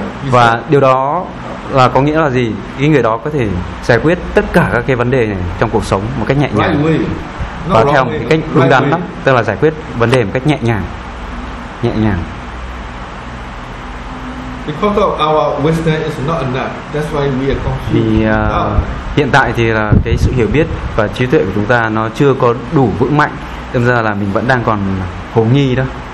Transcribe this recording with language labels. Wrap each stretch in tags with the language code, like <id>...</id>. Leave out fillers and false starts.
<vi>Và điều đó là có nghĩa là gì? Cái người đó có thể giải quyết tất cả các cái vấn đề này trong cuộc sống một cách nhẹ nhàng. Và theo một cái cách đúng đắn lắm, tức là giải quyết vấn đề một cách nhẹ nhàng. Nhẹ nhàng.</vi> <en>Because of our wisdom is not enough, that's why we are confused.</en> <vi>Hiện tại thì là cái sự hiểu biết và trí tuệ của chúng ta nó chưa có đủ vững mạnh, đâm ra là mình vẫn đang còn hồ nghi đó.</vi>